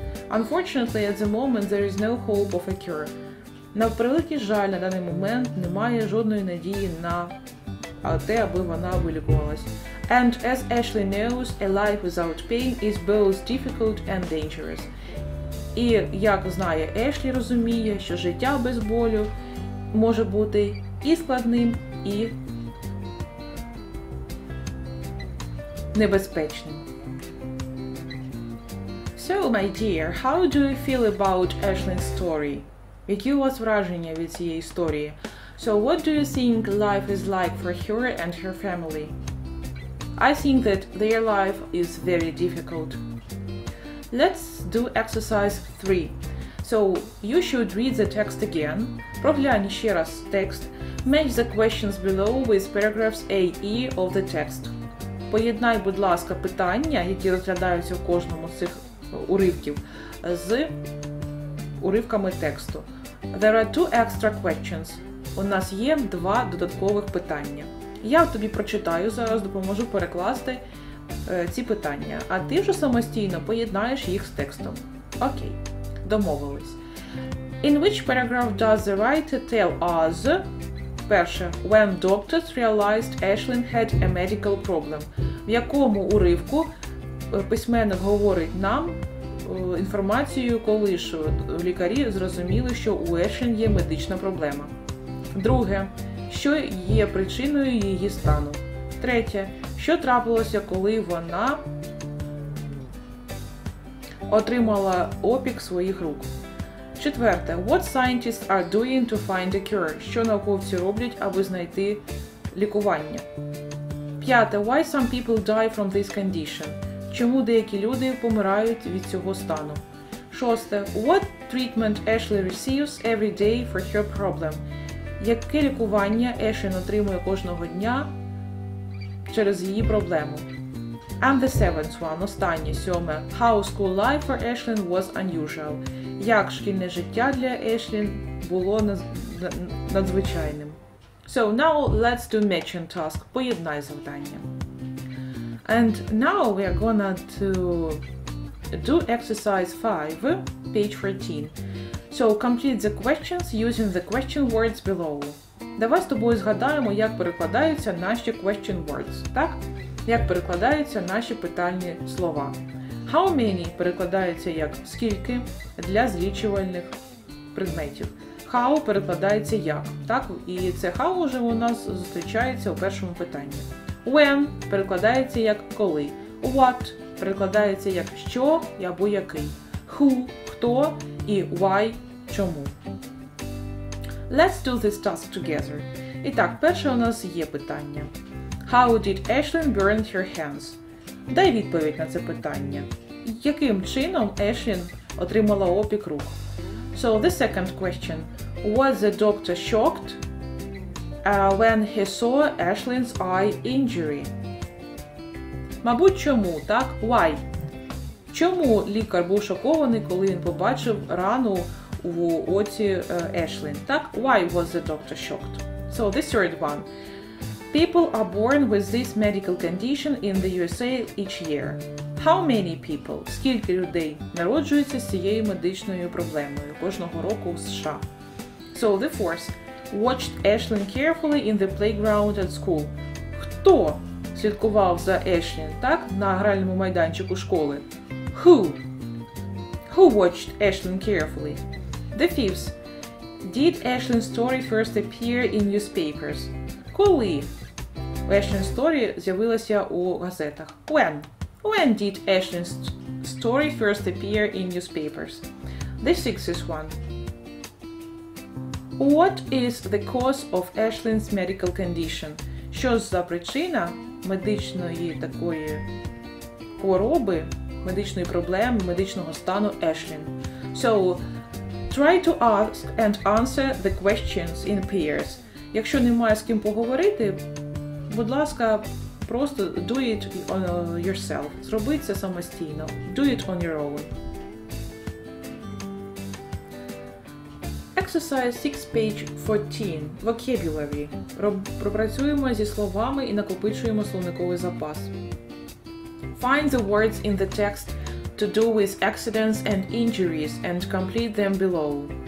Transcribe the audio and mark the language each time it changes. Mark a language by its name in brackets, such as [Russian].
[English] Unfortunately, at the moment, there is no hope of a cure. [Ukrainian] На превеликий жаль, на даний момент немає жодної надії на те, аби вона вилікувалась. [English] And as Ashlyn knows, a life without pain is both difficult and dangerous. [Ukrainian] І, як знає Ешлі, розуміє, що життя без болю може бути і складним, і небезпечним. [English] So, my dear, how do you feel about Ashlyn's story? [Ukrainian] Які у вас враження від цієї історії? [English] So, what do you think life is like for her and her family? I think that their life is very difficult. Let's do exercise 3. So, you should read the text again. [Ukrainian] Прогляньте ще раз текст. [English] Match the questions below with paragraphs A, E of the text. [Ukrainian] Поєднай, будь ласка, питання, які розглядаються в кожному з цих уривків, з уривками тексту. [English] There are 2 extra questions. [Ukrainian] У нас є 2 додаткових питання. Я тобі прочитаю зараз, допоможу перекласти ці питання, а ти вже самостійно поєднаєш їх з текстом. Окей, домовились. [English] In which paragraph does the writer tell us... [Ukrainian] Перше. [English] When doctors realized Ashlyn had a medical problem. [Ukrainian] В якому уривку письменник говорить нам інформацію, коли ж лікарі зрозуміли, що у Ashlyn є медична проблема. Друге. Що є причиною її стану. Третє. Що трапилося, коли вона отримала опік своїх рук. Четверте. [English] What scientists are doing to find a cure? [Ukrainian] Що науковці роблять, аби знайти лікування? П'яте. [English] Why some people die from this condition? [Ukrainian] Чому деякі люди помирають від цього стану? Шосте. [English] What treatment Ashlyn receives every day for her problem? [Ukrainian] Яке лікування Ashlyn отримує кожного дня через її проблему? [English] And the seventh one. [Ukrainian] Останнє. Сьоме. [English] How school life for Ashlyn was unusual? [Ukrainian] Як шкільне життя для Ashlyn було надзвичайним. [English] So now let's do matching task. [Ukrainian] Поєднай завдання. [English] And now we are gonna to do exercise 5, page 14. So complete the questions using the question words below. [Ukrainian] Давай з тобою згадаємо, як перекладаються наші [English] question words, [Ukrainian] так? Як перекладаються наші питальні слова. [English] How many [Ukrainian] перекладається як скільки для злічувальних предметів. How перекладається як. Так, і це how уже у нас зустрічається у першому питанні. When перекладається як коли. What перекладається як що або який. [English] Who [Ukrainian] хто і [English] why чому. Let's do this task together. [Ukrainian] І так, перше у нас є питання. [English] How did Ashlyn burn her hands? [Ukrainian] Дай відповідь на це питання. Яким чином Ashlyn отримала опік рук? [English] So, the second question. Was the doctor shocked when he saw Ashlyn's eye injury? [Ukrainian] Мабуть, чому, так? [English] Why? [Ukrainian] Чому лікар був шокований, коли він побачив рану в оці Ashlyn? Так? [English] Why was the doctor shocked? So, the third one. People are born with this medical condition in the USA each year. How many people? [Ukrainian] Скільки людей народжуються з цією медичною проблемою кожного року в США? [English] So the fourth. Watched Ashlyn carefully in the playground at school. [Ukrainian] Хто слідкував за Ashlyn, так, на гральному майданчику школи? [English] Who? Who watched Ashlyn carefully? The fifth. Did Ashlyn's story first appear in newspapers? [Ukrainian] Коли Ashlyn's story з'явилася у газетах? [English] When? When did Ashlyn's story first appear in newspapers? The sixth one. What is the cause of Ashlyn's medical condition? [Ukrainian] Що за причина медичної такої хвороби, медичної проблеми, медичного стану Ashlyn? [English] So, try to ask and answer the questions in pairs. [Ukrainian] Якщо немає з ким поговорити, будь ласка, просто [English] do it on yourself. [Ukrainian] Зроби це самостійно. [English] Do it on your own. Exercise 6, page 14. Vocabulary. [Ukrainian] Пропрацюємо зі словами і накопичуємо словниковий запас. [English] Find the words in the text to do with accidents and injuries and complete them below.